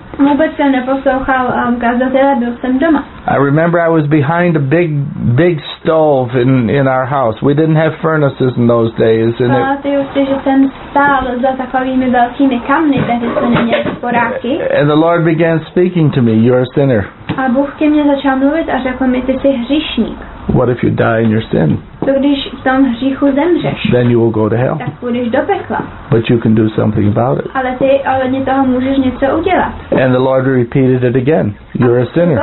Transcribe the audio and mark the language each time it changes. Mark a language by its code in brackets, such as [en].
[cs] Vůbec jsem neposlouchal kazatele, byl jsem doma. [en] I remember I was behind a big, big stove in our house. We didn't have furnaces in those days. [cs] Pamatuju si, že jsem stál za takovými velkými kamny, tehdy jsme neměli sporáky. [en] And the Lord began speaking to me, you're a sinner. [cs] A Bůh ke mně začal mluvit a řekl mi, ty jsi hříšník. [en] What if you die in your sin? [cs] To když v tom hříchu zemřeš, [en] then you will go to hell. [cs] Tak půjdeš do pekla. [en] But you can do something about it. [cs] Ale ty ohledně toho můžeš něco udělat. [en] And the Lord repeated it again. You're a sinner.